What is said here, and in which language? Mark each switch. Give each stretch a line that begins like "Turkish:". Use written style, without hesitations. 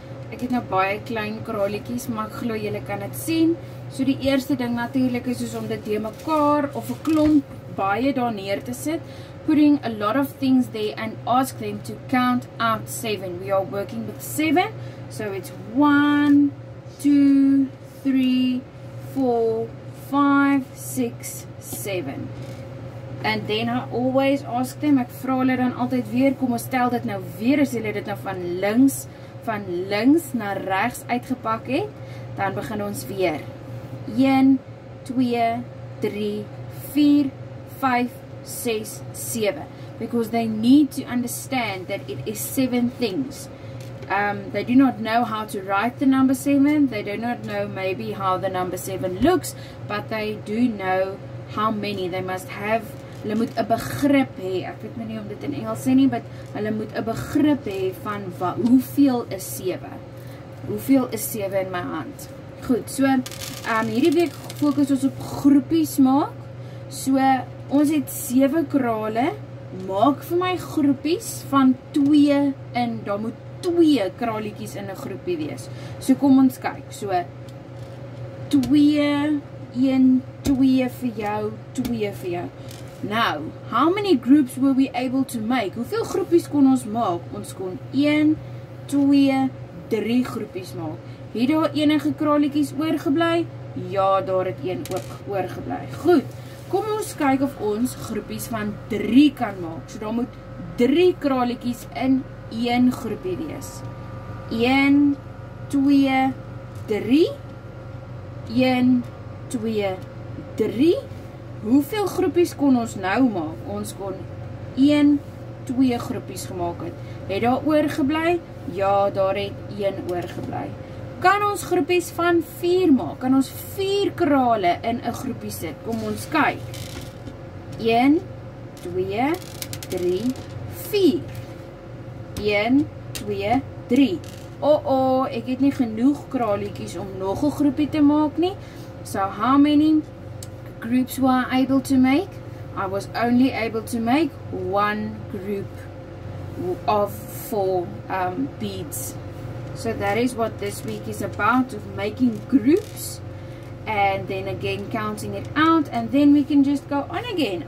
Afrikaans: Ek het nou baie klein kraletjies, maar ek glo julle kan dit sien. So die eerste ding natuurlik is soos om dit te mekaar of 'n klomp baie daar neer te sit.
English: Putting a lot of things there and ask them to count out 7. We are working with 7. So it's 1 2 3 4 5 6 7. And then I always ask them,
Afrikaans: ek vra hulle dan altyd weer, kom ons tel dit nou weer, as julle dit nou van links na regs uitgepak het, dan begin ons weer. 1 2 3 4 5 6 7.
English: Because they need to understand that it is 7 things. They do not know how to write the number 7. They do not know maybe how the number 7 looks, but they do know how many they must have.
Afrikaans: Hulle moet 'n begrip hê. Ek weet nie om dit in Engels sê nie, but hulle moet 'n begrip hê van hoeveel is 7? Hoeveel is 7 in my hand? Goed, so hierdie week fokus ons op groepies maak. So ons het 7 krale. Maak vir my groepies van 2 in. Daar moet 2 kraletjies in 'n groepie wees. So kom ons kyk. So 2, 1, 2 vir jou, 2 vir jou.
English: Nou, how many groups were we able to make?
Afrikaans: Hoeveel groepies kon ons maak? Ons kon 1, 2, 3 groepies maak. Het daar enige kraletjies oorgebly? Ja, daar het een ook oorgebly. Goed, kom ons kyk of ons groepies van 3 kan maak. So daar moet 3 kraletjies in 1 groepie wees. 1, 2, 3. 1, 2, 3. Hoeveel groepies kon ons nou maak? Ons kon 1, 2 groepies gemaak het. Het daar oorgebly? Ja, daar het 1 oorgebly. Kan ons groepies van 4 maak? Kan ons 4 krale in 'n groepie sit? Kom ons kyk. 1, 2, 3, 4. 1, 2, 3. O, ek het nie genoeg kraletjies om nog 'n groepie te maak nie.
English: So, how many groups were I able to make? I was only able to make 1 group of 4 beads. So that is what this week is about, of making groups and then again counting it out, and then we can just go on again.